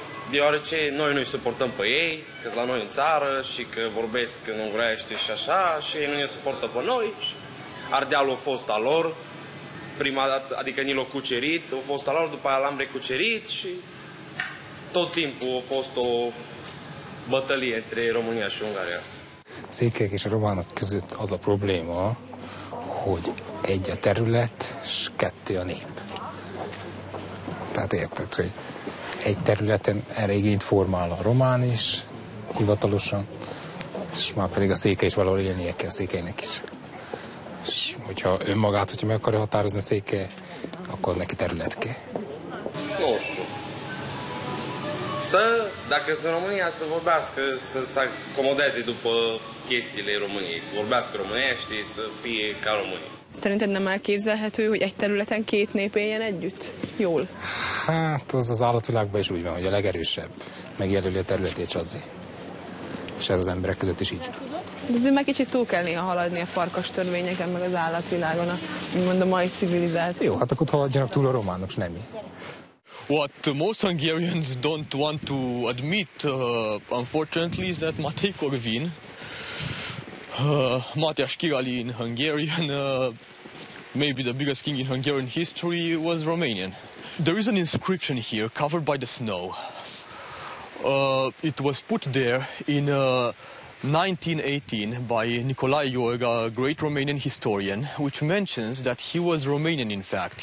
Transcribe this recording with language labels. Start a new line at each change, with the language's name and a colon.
Romanian: Deoarece noi nu-i suportăm pe ei, că-s la noi în țară și că vorbesc în ungurește și așa, și ei nu ne suportă pe noi. Ardealul a fost al lor. Prima dată, adică ni l-au cucerit, au fost al lor, după aia l-am recucerit și tot timpul a fost o bătălie între România și Ungaria.
Hungarian: Székelyek és a románok között az a probléma, hogy egy a terület, s kettő a nép. Tehát érted, hogy egy területen erre igényt formál a román is, hivatalosan, és már pedig a székely is valahol élnie kell a székelynek is. És hogyha önmagát, hogyha meg akarja határozni a székely, akkor neki terület kell.
Romanian: Nos, dacă sunt România, să vorbească, să se acomodeze după chestiile României, să vorbească românești, să fie ca românii.
Hungarian: Szerinted nem elképzelhető, hogy egy területen két nép éljen együtt? Jól? Hát az állatvilágban is úgy van, hogy a legerősebb megjelöli a területét azért. És ez az emberek között is így. De azért már kicsit túl kell néha haladni a farkas törvényeken, meg az állatvilágon, mond a mai civilizált. Jó, hát akkor haladjanak túl a románok, s nem mi.
English: What most Hungarians don't want to admit, unfortunately, is that Matej Korvin, Matyás Király in Hungarian, maybe the biggest king in Hungarian history, was Romanian. There is an inscription here covered by the snow. It was put there in 1918 by Nicolae Iorga, a great Romanian historian, which mentions that he was Romanian, in fact.